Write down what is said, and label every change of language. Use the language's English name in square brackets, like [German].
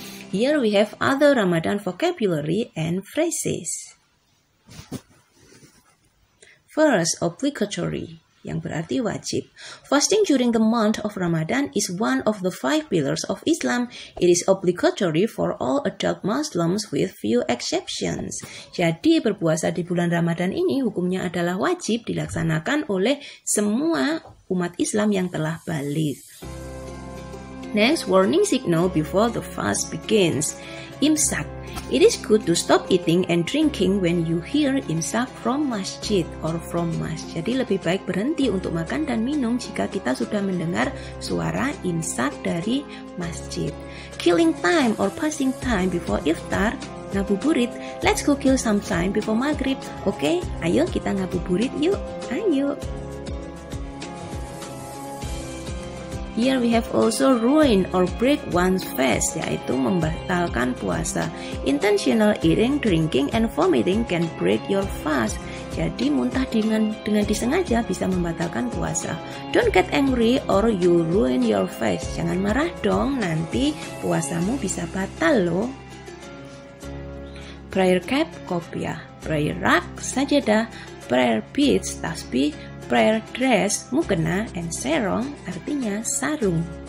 [English] Here we have other Ramadan vocabulary and phrases. First, obligatory, [Indonesian] yang berarti wajib. [English] Fasting during the month of Ramadan is one of the five pillars of Islam. It is obligatory for all adult Muslims with few exceptions. [Indonesian] Jadi, berpuasa di bulan Ramadan ini hukumnya adalah wajib dilaksanakan oleh semua umat Islam yang telah baligh. [English] Next, warning signal before the fast begins. Imsak. It is good to stop eating and drinking when you hear imsak from masjid or from mosque. [Indonesian] Jadi lebih baik berhenti untuk makan dan minum jika kita sudah mendengar suara imsak dari masjid. [English] Killing time or passing time before iftar. Ngabuburit. Let's go kill some time before maghrib. [Indonesian] Oke, ayo kita ngabuburit yuk. Ayo. [English] Here we have also ruin or break one's fast, [Indonesian] yaitu membatalkan puasa. [English] Intentional eating, drinking, and vomiting can break your fast. [Indonesian] Jadi muntah dengan disengaja bisa membatalkan puasa. [English] Don't get angry or you ruin your fast. [Indonesian] Jangan marah dong, nanti puasamu bisa batal loh. [English] Prayer cap, kopiah. Prayer rug, sajadah. Prayer beads, tasbih. Prayer dress, mukena, and sarong, [Indonesian] artinya sarung.